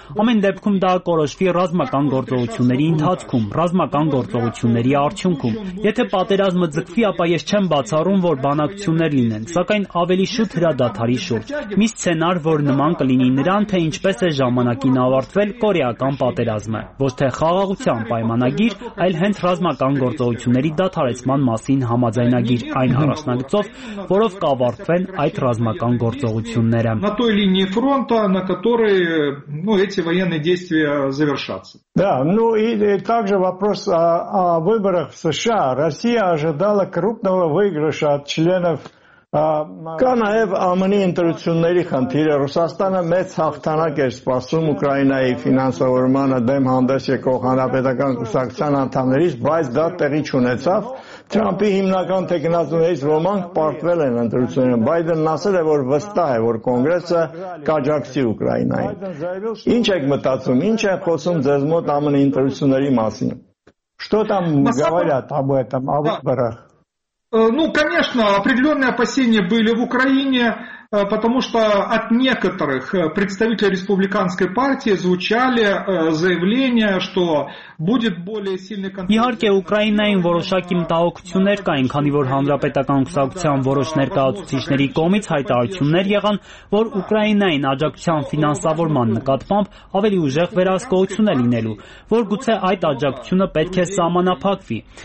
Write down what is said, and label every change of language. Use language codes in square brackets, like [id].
[hy] ամեն դեպքում դա կորոշվի ռազմական գործողությունների ընթացքում, ռազմական գործողությունների արդյունքում։ Եթե պատերազմը ձգվի, ապա ես չեմ բացառում, որ բանակցություններ լինեն, սակայն ավելի շուտ հրադադարի շուրջ։ Մի սցենար, որ նման կլինի նրան, թե ինչպես է ժամանակին ավարտվել կորեական պատերազմը, ոչ թե խաղաղության պայմանագիր, այլ հենց ռազմական գործողությունների դադարեցման մասին համաձայնագիր, այն առաջնագծով, որով կավարտվեն այդ ռազմական գործողությունները։ [ru] На той линии фронта, на которой, ну, эти военные действия завершатся. Да, ну и также вопрос о выборах в США. Россия ожидала крупного выигрыша от членов [hy] Կա նաև ԱՄՆ-ի ընտրությունների խնդիրը, Ռուսաստանը մեծ հաղթանակ էր սպասում Ուկրաինայի ֆինանսավորմանը դեմ հանդես եկող հանրապետական կուսակցության անդամներից, բայց դա տեղի չունեցավ։ Թրամփի հիմնական թեկնածուներից ոմանք պարտվել են ընտրությունում, Բայդենն ասել է, որ վստահ է, որ կոնգրեսը կաջակցի Ուկրաինային։ Ինչ եք մտածում, ինչ են խոսում ձեզ մոտ ԱՄՆ-ի ընտրությունների մասին։ [ru] Что там говорят об этом, о выборах? Ну, конечно, определенные опасения были в Украине, потому что от некоторых представителей республиканской партии звучали заявления, что будет более сильный контроль. [hy] Իհարկե Ուկրաինային որոշակի մտահոգություններ կային, քանի որ հանրապետական կուսակցության որոշ ներկայացուցիչների կողմից հայտարարություններ եղան, որ Ուկրաինային աջակցության ֆինանսավորման նկատմամբ ավելի ուժեղ վերահսկողություն է լինելու, որ գուցե այդ աջակցությունը պետք է սահմանափակվի,